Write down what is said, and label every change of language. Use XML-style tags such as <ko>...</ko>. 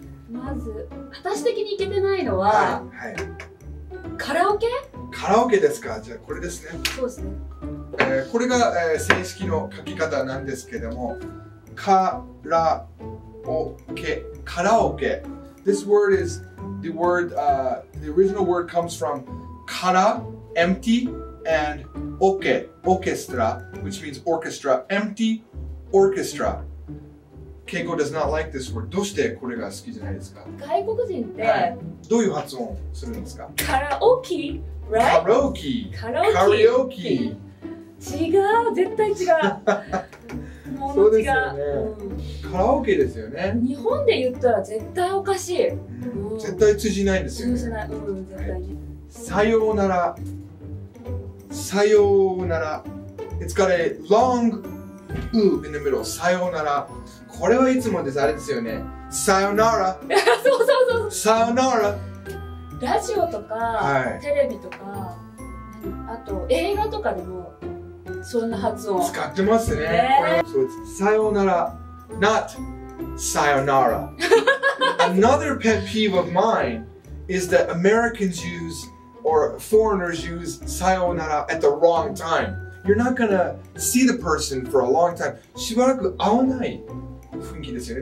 <ja>まず私的にいけてないのは、はいはい、カラオケ。カラオケですか。じゃあこれですね。そうですね、これが、正式の書き方なんですけども、カラオケ、カラオケ。</ja> <en>This word is the word, the original word comes from kara, empty, and oke, orchestra, which means orchestra, empty orchestra. Keiko does not like this word.</en> <ja>どうしてこれが好きじゃないですか？外国人って、はい、どういう発音するんですか？カラオケ、</ja> <en>right?</en> <ja>カラオケ、カラオケ、カラオケ。違う、絶対違う。そうですよね、うん、カラオケですよね。日本で言ったら絶対おかしい、うん、絶対通じないんですよね。通じない、うん、絶対に、はい、さようなら、さようなら。</ja> <en>It's got a long U in the middle.</en> <ja>さようなら、これはいつもです。あれですよね、さようなら。そうそうそう、さようなら。ラジオとか、はい、テレビとか、あと映画とかでもそんな発音使ってますね。そう、さようなら、</ja> <en>not</en> <ja>さよなら。</ja> <en>Another pet peeve of mine is that Americans use or foreigners use さようなら at the wrong time. You're not gonna see the person for a long time.</en> <ja>しばらく会わない雰囲気ですよね。</ja>